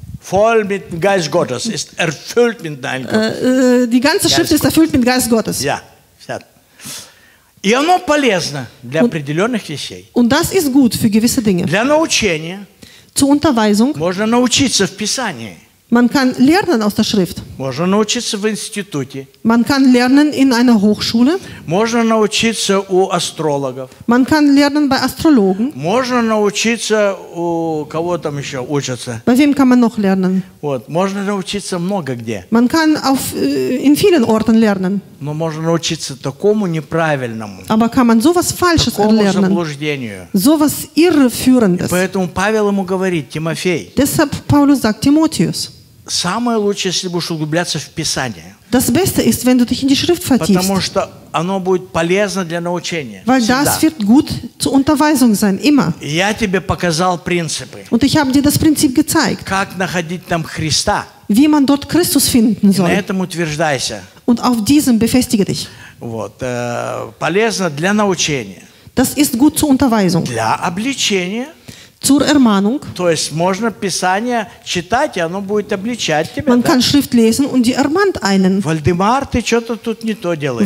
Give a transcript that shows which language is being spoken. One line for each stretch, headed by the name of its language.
German: Voll mit dem Geist Gottes, ist erfüllt mit deinem Geist. Die ganze Geist Schrift Gottes. Ist erfüllt mit Geist Gottes. Ja, fährt.
Russian: И оно полезно для определенных вещей.
German: Und das ist gut für gewisse Dinge.
Russian: Для научения.
German: Zur Unterweisung.
Russian: Можно научиться в Писании.
German: Man kann lernen aus der Schrift.
Russian: Можно научиться в институте.
German: Man kann lernen in einer Hochschule.
Russian: Можно научиться у астрологов.
German: Man kann lernen bei Astrologen.
Russian: Можно научиться у кого там еще учатся.
German: Bei wem kann man noch lernen?
Russian: Вот. Можно научиться много где.
German: Man kann auf, in vielen Orten lernen.
Russian: Но можно научиться такому неправильному.
German: Aber kann man sowas Falsches
Russian: такому
German: erlernen?
Russian: Такому заблуждению.
German: Sowas Irreführendes.
Russian: И поэтому Павел ему говорит, Тимофей.
German: Deshalb Paulus sagt Timotheus.
Russian: Самое лучшее, если будешь углубляться в Писание.
German: Das Beste ist, wenn du dich in die Schrift vertiefst.
Russian: Потому что оно будет полезно для научения.
German: Weil
Russian: всегда.
German: Das wird gut zur Unterweisung sein, immer.
Russian: Я тебе показал принципы.
German: Und ich habe dir das Prinzip gezeigt.
Russian: Как находить там Христа.
German: Wie man dort Christus finden soll.
Russian: И на этом утверждайся.
German: Und auf diesem befestige dich.
Russian: Вот, полезно для научения.
German: Das ist gut zur Unterweisung.
Russian: Для обличения.
German: Zur Ermahnung.
Russian: То есть можно Писание читать, и оно будет обличать тебя.
German: Man kann Schrift lesen und die ermahnt einen.
Russian: Вальдемар, ты что-то тут не то делаешь.